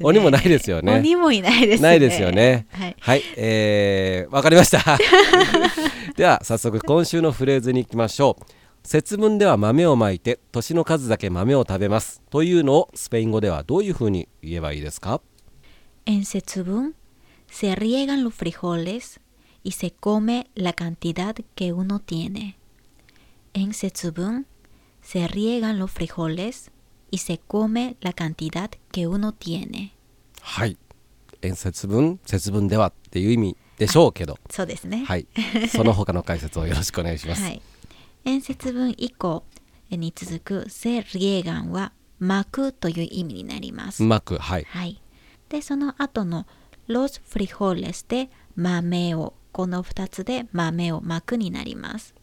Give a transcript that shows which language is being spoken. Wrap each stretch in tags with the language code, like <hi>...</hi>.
<ja>鬼もないですよね。鬼もいないですね。ないですよね。はい、わ、はい、かりました。では早速今週のフレーズに行きましょう。節分では豆をまいて年の数だけ豆を食べますというのをスペイン語ではどういうふうに言えばいいですか？</ja> <es>En 節分 se riegan los frijoles y se come la cantidad que uno tiene. En 節分 se riegan los frijolesy se come la cantidad que uno tiene.</es> <ja>はい、節分、節分ではっていう意味でしょうけど。そうですね。はい、その他の解説をよろしくお願いします。はい、節分以降に続くセリエガンは巻くという意味になります。巻く、はい、はい、でその後のロスフリホレスで豆を、この2つで豆を巻くになります。</ja>